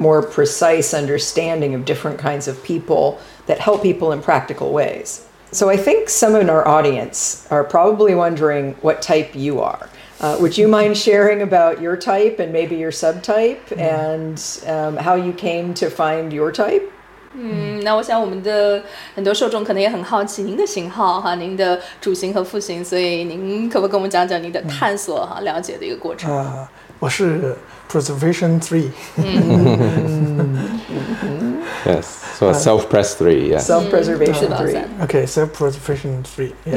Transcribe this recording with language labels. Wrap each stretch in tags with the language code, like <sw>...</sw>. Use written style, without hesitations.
<en>More precise understanding of different kinds of people that help people in practical ways. So I think some in our audience are probably wondering what type you are. Would you mind sharing about your type and maybe your subtype and how you came to find your type?</en> <zh>那我想我们的很多受众可能也很好奇您的型号哈，您的主型和副型，所以您可不可以跟我们讲讲您的探索哈，了解的一个过程？我是 Preservation 3.</zh> <en>Yes, so self-press 3, yes. Self-preservation 3. Okay, self-preservation 3.</en>